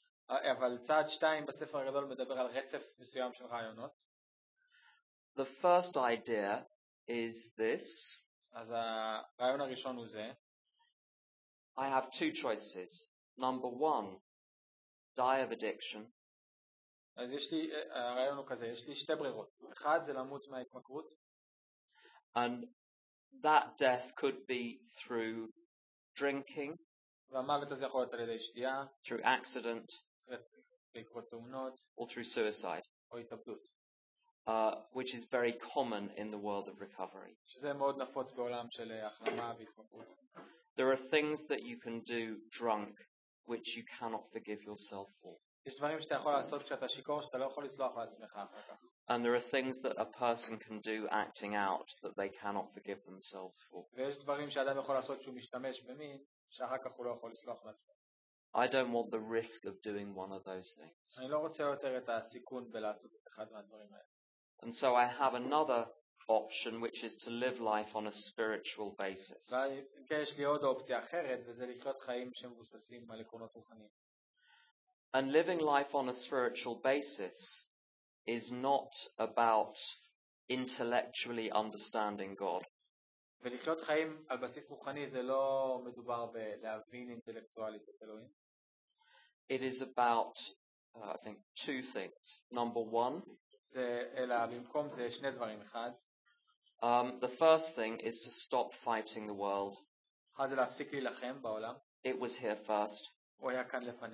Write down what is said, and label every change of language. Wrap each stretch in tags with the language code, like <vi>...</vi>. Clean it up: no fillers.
<he>אבל צד 2 בספר הגדול מדבר על רצף מסוים של רעיונות.</he> <en>The first idea is this.</en> <he>אז הרעיון הראשון הוא זה.</he> <en>I have two choices. Number 1, die of addiction.</en> <he>אז יש לי, הרעיון הוא כזה, יש לי שתי ברירות. אחד זה למות מההתמכרות.</he> <en>And that death could be through drinking.</en> <he>והמוות הזה יכול להיות על ידי שתייה.</he> <en>Through accident.</en> <he>בעקבות תאונות.</he> <en>Or through suicide.</en> <he>או התאבדות.</he> <en>Which is very common in the world of recovery.</en> <he>זה מאוד נפוץ בעולם של החלמה והתמכרות.</he> <en>There are things that you can do drunk which you cannot forgive yourself for.</en> <he>יש דברים שאתה יכול לעשות כשאתה שיכור שאתה לא יכול לסלוח לעצמך אחר כך.</he> <en>And there are things that a person can do acting out that they cannot forgive themselves for.</en> <he>ויש דברים שאדם יכול לעשות כשהוא משתמש במין שאחר כך הוא לא יכול לסלוח לעצמו.</he> <en>I don't want the risk of doing one of those things.</en> <he>אני לא רוצה יותר את הסיכון בלעשות את אחד מהדברים האלה.</he> <en>And so I have another option, which is to live life on a spiritual basis.</en> <he>יש לי עוד אופציה אחרת, וזה לחיות חיים שמבוססים על עקרונות רוחניים.</he> <en>And living life on a spiritual basis is not about intellectually understanding God.</en> <he>ולחיות חיים על בסיס רוחני זה לא מדובר בלהבין אינטלקטואלית את אלוהים.</he> <en>It is about I think two things. Number one, the first thing is to stop fighting the world. It was here first.</en>